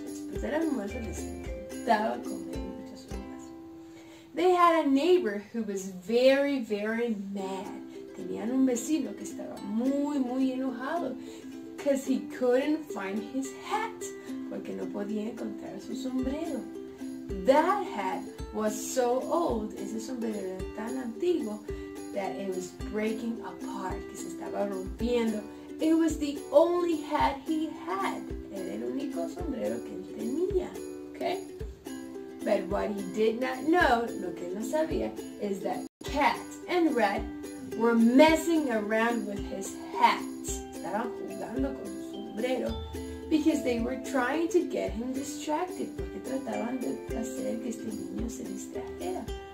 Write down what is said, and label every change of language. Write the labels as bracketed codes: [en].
[es] Después del almuerzo les encantaba comer muchas uvas. [en] They had a neighbor who was very, very mad. [es] Tenían un vecino que estaba muy, muy enojado [en] because he couldn't find his hat [es] porque no podía encontrar su sombrero. [en] That hat was so old, [es] ese sombrero era tan antiguo, [en] that it was breaking apart, [es] que se estaba rompiendo. [en] It was the only hat he had. [es] Era el único sombrero que él tenía, okay? [en] But what he did not know, [es] lo que no sabía, [en] is that cat and rat were messing around with his hat. [es] Estaban jugando con su sombrero [en] because they were trying to get him distracted. [es] Porque trataban de hacer que este niño se distrajera.